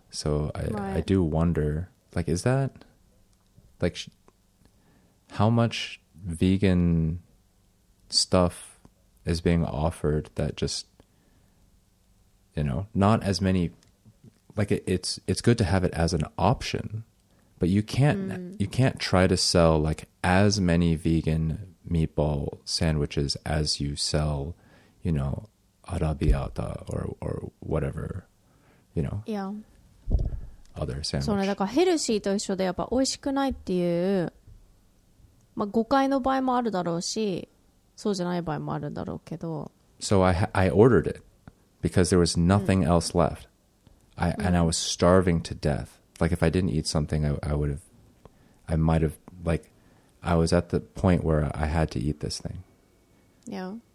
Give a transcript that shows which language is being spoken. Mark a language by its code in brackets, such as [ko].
[en] So I do wonder, like, is that like how much vegan stuff is being offered that just, you know, not as many, like it's good to have it as an option, but you can't try to sell like as many vegan meatball sandwiches as you sell, you know, arrabbiata or whatever, you know. Yeah. Other sandwiches. [ja] そうね、だからヘルシーと一緒でやっぱ美味しくないっていう、まあ、誤解の場合もあるだろうし、そうじゃない場合もあるだろうけど。 [en] So I ordered it because there was nothing else left. And I was starving to death. Like if I didn't eat something, I might have like I was at the point where I had to eat this thing. Yeah.